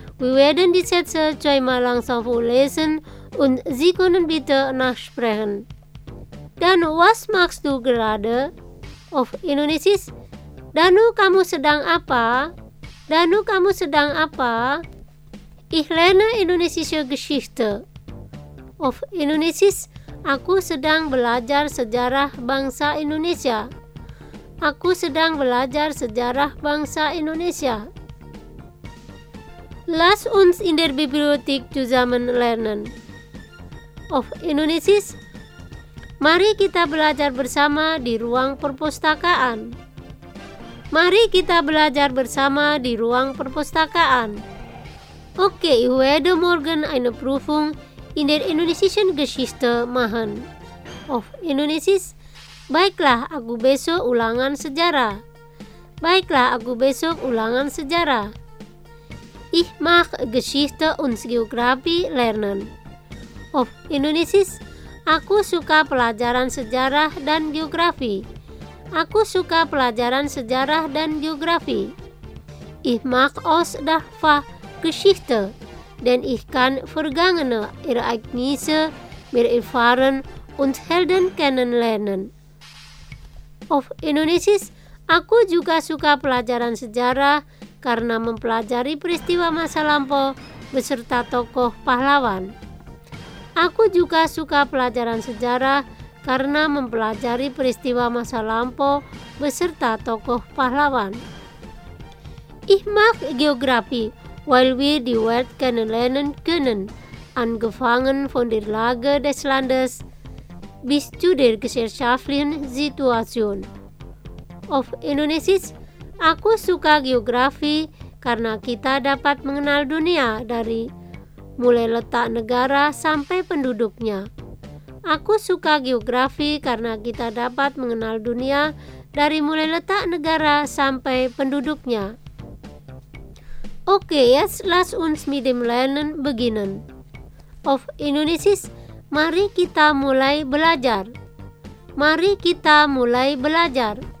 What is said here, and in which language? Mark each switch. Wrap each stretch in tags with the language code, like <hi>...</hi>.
<de>Wir werden die Sätze zweimal langsam vorlesen und Sie können bitte nachsprechen. Danu, was machst du gerade? Auf Indonesisch.</de> <id>Danu, kamu sedang apa? Danu, kamu sedang apa?</id> <de>Ich lerne indonesische Geschichte. Auf Indonesisch.</de> <id>Aku sedang belajar sejarah bangsa Indonesia. Aku sedang belajar sejarah bangsa Indonesia.</id> <de>Lass uns in der Bibliothek zusammen lernen. Auf Indonesisch.</de> <id>Mari kita belajar bersama di ruang perpustakaan. Mari kita belajar bersama di ruang perpustakaan.</id> <de>Oke, ich werde morgen eine Prüfung in der indonesischen Geschichte machen. Auf Indonesisch.</de> <id>Baiklah, aku besok ulangan sejarah. Baiklah, aku besok ulangan sejarah.</id> <de>Ich mag Geschichte und Geographie lernen. Auf Indonesisch.</de> <id>Aku suka pelajaran sejarah dan geografi. Aku suka pelajaran sejarah dan geografi.</id> <de>Ich mag aus der Fach Geschichte. Denn ich kann vergangene Ereignisse mir erfahren und Helden kennenlernen. Auf Indonesisch,</de> <id>aku juga suka pelajaran sejarah karena mempelajari peristiwa masa lampau beserta tokoh pahlawan. Aku juga suka pelajaran sejarah karena mempelajari peristiwa masa lampau beserta tokoh pahlawan.</id> <de>Ich mag Geografie weil wir die Welt kennenlernen können, angefangen von der Lage des Landes bis zu der gesellschaftlichen Situation. Auf Indonesisch,</de> <id>aku suka geografi karena kita dapat mengenal dunia dari mulai letak negara sampai penduduknya. Aku suka geografi karena kita dapat mengenal dunia dari mulai letak negara sampai penduduknya.</id> <de>Oke, jetzt lass uns mit dem Lernen beginnen. Auf Indonesisch,</de> <id>mari kita mulai belajar. Mari kita mulai belajar.</id>